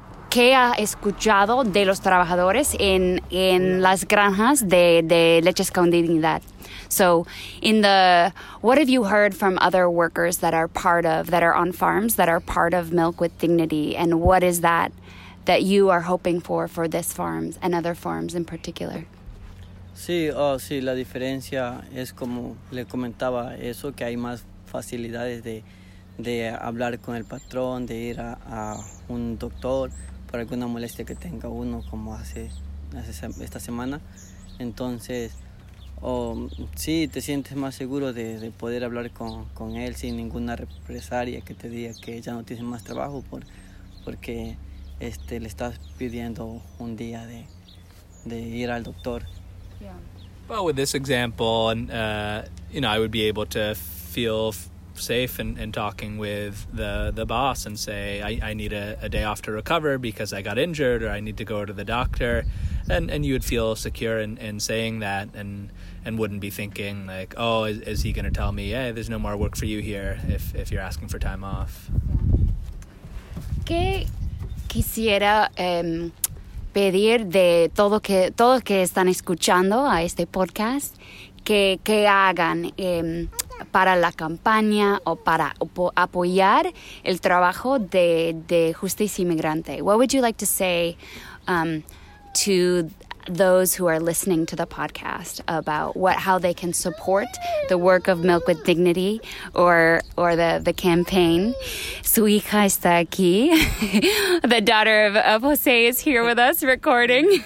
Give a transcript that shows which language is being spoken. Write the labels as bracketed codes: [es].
[es] ¿Qué ha escuchado de los trabajadores en las granjas de leches con dignidad? [en] So, what have you heard from other workers that are on farms, that are part of Milk with Dignity, and what is that you are hoping for this farm and other farms in particular? [es] Sí, oh, sí, la diferencia es como le comentaba eso, que hay más facilidades de hablar con el patrón, de ir a un doctor por alguna molestia que tenga uno, como hace esta semana. Entonces, sí, te sientes más seguro de poder hablar con él sin ninguna represalia que te diga que ya no tienes más trabajo porque le estás pidiendo un día de ir al doctor. [en] Yeah. Well, with this example, I would be able to feel safe in talking with the boss and say, I need a day off to recover because I got injured, or I need to go to the doctor. And you would feel secure in saying that and wouldn't be thinking like, oh, is he going to tell me, hey, there's no more work for you here if you're asking for time off. Yeah. [es] ¿Qué quisiera pedir de todo que están escuchando a este podcast que hagan para la campaña o para apoyar el trabajo de Justicia Inmigrante? [en] What would you like to say to those who are listening to the podcast about how they can support the work of Milk with Dignity or the campaign? [es] Su hija está aquí. [en] The daughter of Jose is here with us recording.